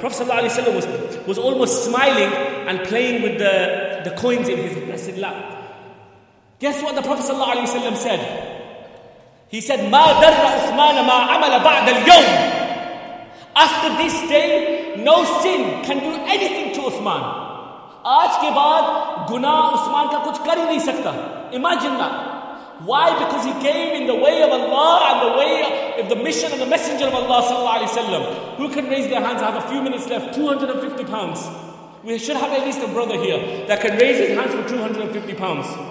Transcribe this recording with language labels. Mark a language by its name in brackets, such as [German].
[English] Prophet sallallahu alaihi wasallam was almost smiling and playing with the coins in his blessed lap. Guess what the Prophet sallallahu alaihi wasallam said? He said, [Arabic] "Ma darra Uthman ma amala ba'd al-yawm." [English] After this day, no sin can do anything to Uthman. [Urdu] آج کے بعد گناہ عثمان کا کچھ کر ہی نہیں سکتا۔ [English] Imagine that. Why? Because he came in the way of Allah and the way of the mission of the Messenger of Allah sallallahu alaihi wasallam. Who can raise their hands? I have a few minutes left. £250. We should have at least a brother here that can raise his hands for £250.